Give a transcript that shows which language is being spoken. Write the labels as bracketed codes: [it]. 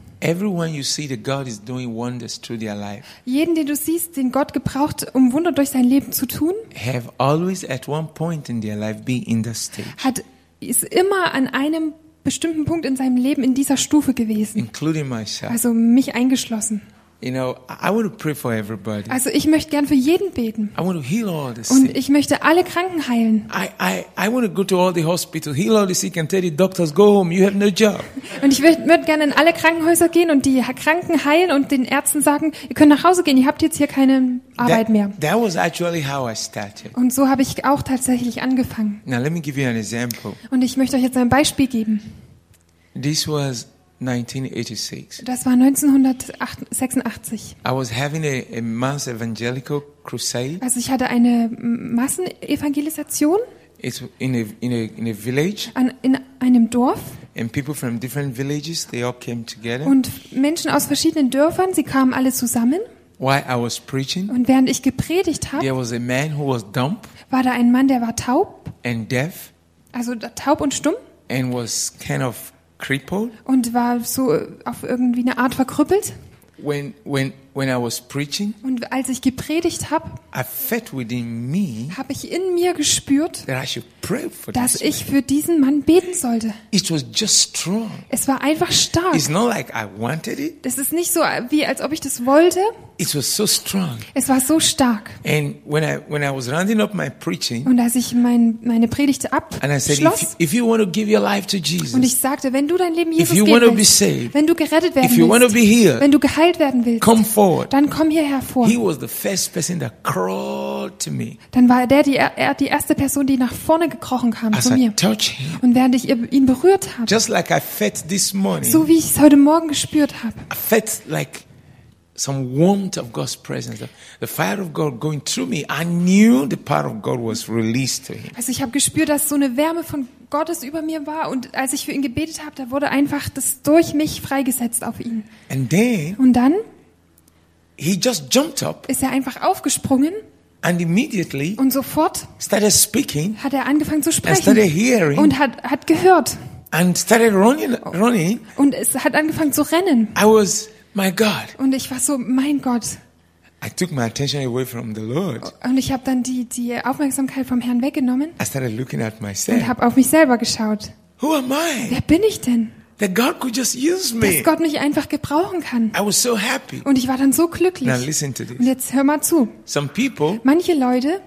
[en] Everyone you see, that God is doing wonders through their life. [de] Jeden, den du siehst, den Gott gebraucht, um Wunder durch sein Leben zu tun, [en] have always at one point in their life been in that stage. [de] Hat ist immer an einem bestimmten Punkt in seinem Leben in dieser Stufe gewesen. [en] Including myself. [de] Also mich eingeschlossen. [en] You know, I want to pray for everybody. [de] Also, ich möchte gern für jeden beten. [en] I want to heal all the sick. [de] Und ich möchte alle Kranken heilen. [en] I want to go to all the hospitals, heal all the sick and tell the doctors go home, you have no job. [de] Und ich würde gerne in alle Krankenhäuser gehen und die Kranken heilen und den Ärzten sagen, ihr könnt nach Hause gehen, ihr habt jetzt hier keine Arbeit mehr. [en] That was actually how I started. [de] Und so habe ich auch tatsächlich angefangen. [en] Now let me give you an example. [de] Und ich möchte euch jetzt ein Beispiel geben. [en] This was 1986. [de] Das war 1986. [en] I was having a mass evangelical crusade. [de] Also ich hatte eine Massenevangelisation. [en] It's in a village. [de] In einem Dorf. [en] And people from different villages, they all came together. [de] Und Menschen aus verschiedenen Dörfern, sie kamen alle zusammen. [en] While I was preaching. [de] Und während ich gepredigt habe. [en] There was a man who was dumb. [de] War da ein Mann, der war taub. [en] And deaf. [de] Also taub und stumm. [en] And was kind of crippled. [de] Und war so auf irgendwie eine Art verkrüppelt. [en] When I was preaching, [de] und als ich gepredigt habe, habe ich in mir gespürt, dass ich für diesen Mann beten sollte. [en] It was just strong. [de] Es war einfach stark. [en] It's not like I wanted it. [de] Das ist nicht so, wie als ob ich das wollte. [en] It was so strong. [de] Es war so stark. [en] And when I was rounding up my preaching, [de] und als ich meine Predigt abschloss, [en] and I said, if you want to give your life to Jesus, [de] und ich sagte, wenn du dein Leben Jesus geben willst, [en] be saved, [de] wenn du gerettet werden [en] if you [de] willst, [en] want to be healed, [de] wenn du geheilt werden willst, [en] come forward. [de] Dann komm hier hervor. [en] He was the first person that crawled to me. [de] Dann war er die erste Person, die nach vorne gekrochen kam [en] as [de] zu mir. [en] I touch him, [de] und während ich ihn berührt habe, [en] just like I felt this morning, [de] so wie ich es heute Morgen gespürt habe, [en] I felt like some warmth of God's presence, the fire of God going through me. I knew the power of God was released to him. [de] Also ich habe gespürt, dass so eine Wärme von Gottes über mir war, und als ich für ihn gebetet habe, da wurde einfach das durch mich freigesetzt auf ihn. [en] And then, [de] und dann, [en] he just jumped up, [de] ist er einfach aufgesprungen, [en] and immediately, [de] und sofort, [en] started speaking, [de] hat er angefangen zu sprechen, [en] and started hearing, [de] und hat gehört, [en] and started running, [de] und es hat angefangen zu rennen. [en] I was my God. [de] Und ich war so, mein Gott. [en] I took my attention away from the Lord. [de] Und ich habe dann die Aufmerksamkeit vom Herrn weggenommen. [en] I started looking at myself. [de] Und habe auf mich selber geschaut. [en] Who am I? [de] Wer bin ich denn? [en] That God could just use me. [de] Dass Gott mich einfach gebrauchen kann. [en] I was so happy. [de] Und ich war dann so glücklich. [en] Now listen to this. [de] Und jetzt hör mal zu. [en] Some people, [de] manche Leute,